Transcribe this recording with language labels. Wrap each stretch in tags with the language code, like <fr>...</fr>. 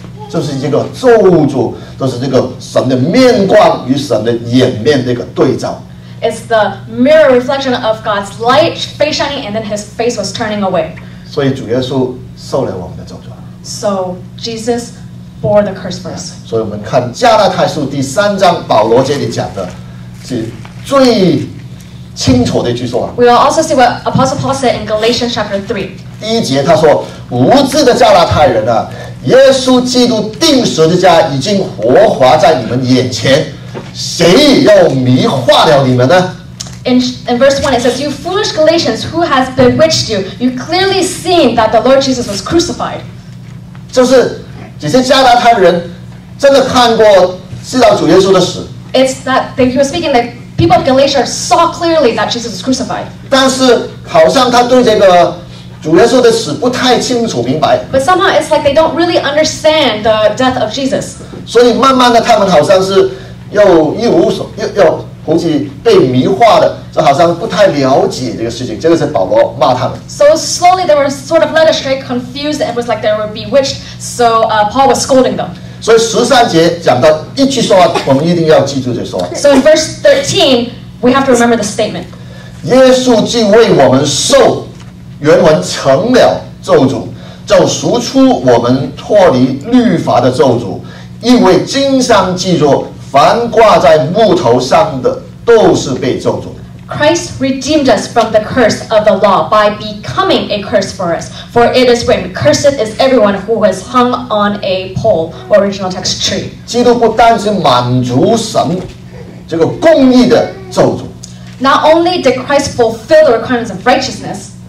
<zh>就是这个咒诅，就是这个神的面光与神的掩面那个对照。</zh> <en>It's the mirror reflection of God's light face shining, and then His face was turning away.</en> <zh>所以主耶稣受了我们的咒诅。</zh> <en>So Jesus bore the curse for us.</en> <zh>所以我们看加拉太书第三章，保罗这里讲的是最。清楚的一句说啊。</zh> <en>We will also see what Apostle Paul said in Galatians chapter 3.</en> <zh>第一节他说，无知的加拉太人啊，耶稣基督钉十字架已经活化在你们眼前，谁又迷惑了你们呢？</zh> <en>In verse 1 it says, you foolish Galatians, who has bewitched you? You clearly seen that the Lord Jesus was crucified.</en> <zh>就是这些加拉太人真的看过知道主耶稣的死。</zh> <en>It's that they, he was speaking like,People of Galatia saw clearly that Jesus was crucified.</en> <zh>但是好像他对这个主耶稣的死不太清楚明白。</zh> <en>But somehow it's like they don't really understand the death of Jesus.</en> <zh>所以慢慢的，他们好像是又一无所又好像被迷惑的，就好像不太了解这个事情。这个是保罗骂他们。</zh> <en>So slowly they were sort of led astray, confused, and was like they were bewitched. So Paul was scolding them.</en> <zh>所以十三节讲到一句说话，我们一定要记住这说话。</zh> <en>So in verse 13, we have to remember the statement.</en> <zh>耶稣既为我们受，原文成了咒诅，就赎出我们脱离律法的咒诅，因为经上记着，凡挂在木头上的都是被咒诅。</zh> <en>Christ redeemed us from the curse of the law by becoming a curse for us. For it is written, cursed is everyone who was hung on a pole, or original text tree.</en> <zh>基督不单是满足神这个公义的咒诅。</zh> <en>Not only did Christ fulfill the requirements of righteousness,</en>